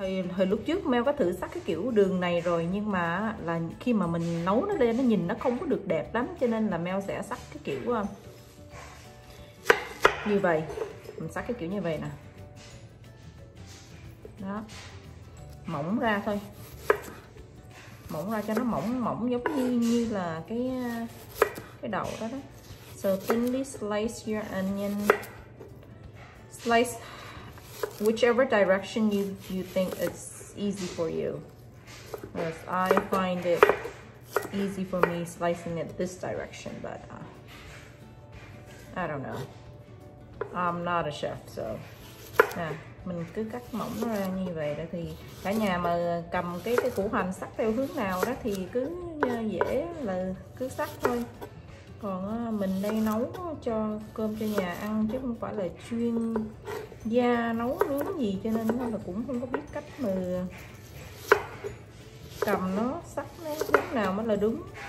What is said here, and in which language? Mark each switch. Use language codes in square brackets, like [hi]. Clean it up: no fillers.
[vi] Hồi lúc trước Mel có thử sắc cái kiểu đường này rồi, nhưng mà là khi mà mình nấu nó lên nó nhìn nó không có được đẹp lắm, cho nên là Mel sẽ sắc cái kiểu như vậy. Mình sắc cái kiểu như vậy nè. Đó. Mỏng ra thôi. Mỏng ra cho nó mỏng mỏng giống như là cái đậu đó đó. [en] So thinly slice your onion. Slice whichever direction you think it's easy for you. Yes, I find it easy for me slicing it this direction, but I don't know. I'm not a chef, so. Yeah. [vi] Mình cứ cắt mỏng nó ra như vậy đó, thì cả nhà mà cầm cái củ hành sắc theo hướng nào đó thì cứ dễ là cứ sắc thôi. Còn mình đây nấu cho cơm cho nhà ăn chứ không phải là chuyên gia nấu nướng gì, cho nên là cũng không có biết cách mà cầm nó sắc nó hướng nào mới là đúng.